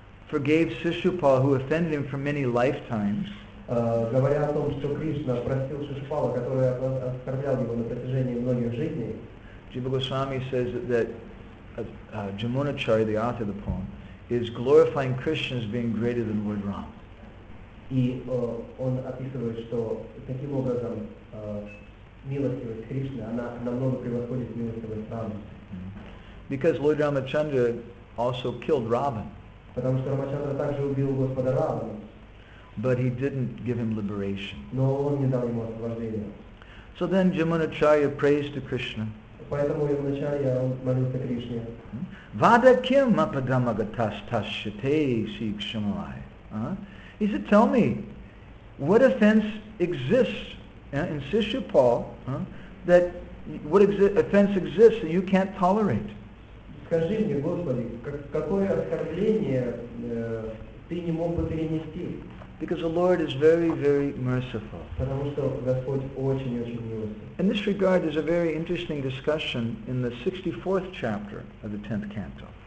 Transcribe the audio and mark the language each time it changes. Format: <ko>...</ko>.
<en>forgave Сишупал, who offended him for many lifetimes.</en> <ru>Говоря о том, что Кришна простил Сишупала, который оскорблял его на протяжении многих жизней,</ru> <en>Jiva Goswami says that Jamunacharya, the author of the poem, is glorifying Krishna as being greater than Lord Ram.</en> <ru>И он описывает, что таким образом милостивость Кришны, она намного превосходит милостивость Рамы.</ru> <en>Because Lord Ramachandra also killed Ravan.</en> <ru>Потому что Рамачандра также убил господа Равана.</ru> <en>But he didn't give him liberation.</en> <ru>Но он не дал ему освобождение.</ru> <en>So then Jamunacharya prays to Krishna.</en> <ru>Поэтому я вначале молился Кришне.</ru> <sa>Вада кем ападамагатастасшите сикшамай.</sa> <en>He said, tell me, what offense exists in Сишупал, that what offense exists that you can't tolerate?</en> <ru>Скажи мне, Господи, какое оскорбление ты не мог бы перенести?</ru> <en>Because the Lord is very, very merciful.</en> <ru>Потому что Господь очень-очень милостив.</ru> <en>In this regard, there's a very interesting discussion in the 64th chapter of the 10th canto.</en>